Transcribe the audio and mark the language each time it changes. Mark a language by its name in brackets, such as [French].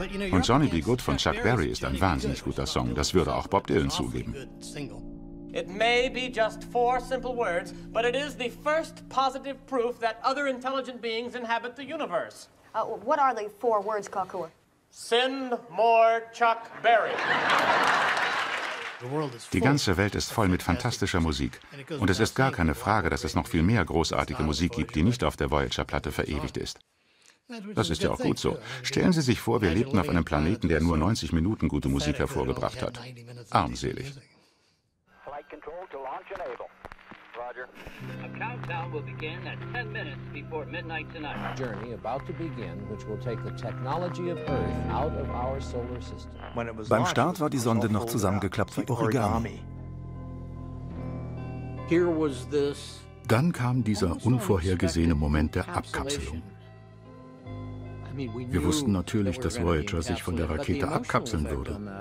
[German] Und Johnny B. Goode von Chuck Berry ist ein wahnsinnig guter Song. Das würde auch Bob Dylan zugeben. [English] It may be just four simple words, but it is the first positive proof that other intelligent beings inhabit the universe. What are the four words, Kakua? Send more Chuck Berry. [German] Die ganze Welt ist voll mit fantastischer Musik. Und es ist gar keine Frage, dass es noch viel mehr großartige Musik gibt, die nicht auf der Voyager-Platte verewigt ist. Das ist ja auch gut so. Stellen Sie sich vor, wir lebten auf einem Planeten, der nur 90 Minuten gute Musik hervorgebracht hat. Armselig. [English] A countdown will begin at 10 minutes before midnight tonight. Journey about to begin, which will take the technology of Earth out of our solar system. [German] Beim Start war die Sonde noch zusammengeklappt wie Origami. [English] Here was this. [German] Dann kam dieser unvorhergesehene Moment der Abkapselung. Wir wussten natürlich, dass Voyager sich von der Rakete abkapseln würde.